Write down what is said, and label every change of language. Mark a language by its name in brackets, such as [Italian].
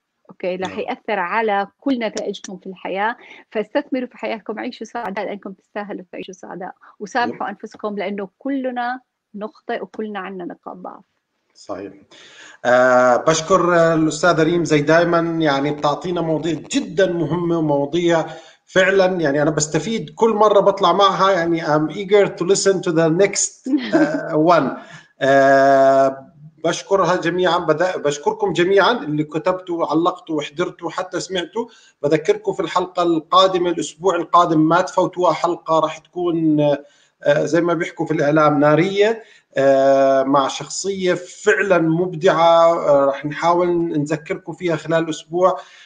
[Arabic] اوكي، راح ياثر على كل نتائجكم في الحياه. فاستثمروا في حياتكم، عيشوا سعداء لانكم تستاهلوا تعيشوا سعداء، وسامحوا انفسكم لانه كلنا نخطئ وكلنا عندنا نقاط ضعف. صحيح. بشكر الاستاذه ريم، زي دائما يعني بتعطينا مواضيع جدا مهمه ومواضيع فعلا يعني انا بستفيد كل مره بطلع معها. يعني [English] I'm eager to listen to the next one. [Arabic] بشكرها جميعا، بشكركم جميعا اللي كتبتوا وعلقتوا وحضرتوا حتى سمعتوا. بذكركم في الحلقه القادمه الاسبوع القادم، ما تفوتوها حلقه راح تكون زي ما بيحكوا في الاعلام ناريه، مع شخصيه فعلا مبدعه راح نحاول نذكركم فيها خلال الاسبوع.